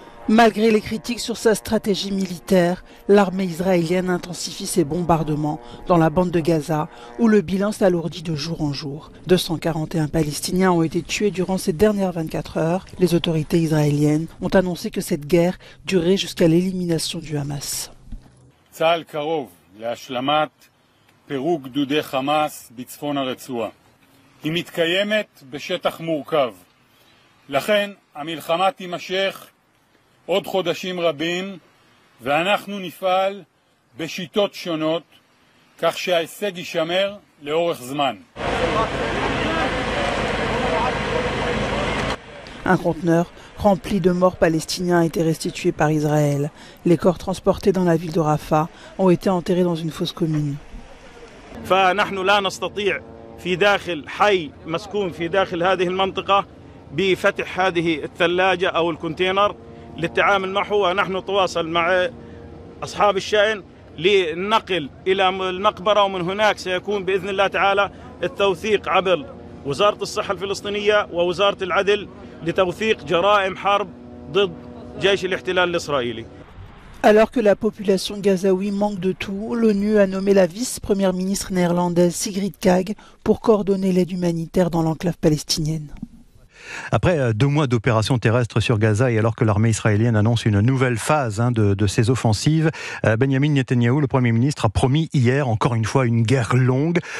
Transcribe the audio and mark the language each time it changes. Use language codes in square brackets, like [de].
[fr] Malgré les critiques sur sa stratégie militaire, l'armée israélienne intensifie ses bombardements dans la bande de Gaza, où le bilan s'alourdit de jour en jour. 241 Palestiniens ont été tués durant ces dernières 24 heures. Les autorités israéliennes ont annoncé que cette guerre durerait jusqu'à l'élimination du Hamas. [he] להשלמת פירוק גדודי חמאס בצפון הרצועה. היא מתקיימת בשטח מורכב. לכן המלחמה תימשך עוד חודשים רבים, ואנחנו נפעל בשיטות שונות, כך שההישג יישמר לאורך זמן. [fr] Un conteneur rempli de morts palestiniens a été restitué par Israël. Les corps transportés dans la ville de Rafah ont été enterrés dans une fosse commune. [ar] فنحن لا نستطيع في داخل حي مسكون في داخل هذه المنطقة بفتح هذه الثلاجة أو الكونتينر للتعامل معه. ونحن نتواصل مع أصحاب الشأن لنقل إلى المقبرة ومن هناك سيكون بإذن الله تعالى التوثيق عبر وزارة الصحة الفلسطينية ووزارة العدل. [fr] Alors que la population gazaouie manque de tout, l'ONU a nommé la vice-première ministre néerlandaise Sigrid Kaag pour coordonner l'aide humanitaire dans l'enclave palestinienne. Après deux mois d'opération terrestre sur Gaza et alors que l'armée israélienne annonce une nouvelle phase de ses offensives, Benjamin Netanyahou, le Premier ministre, a promis hier encore une fois une guerre longue.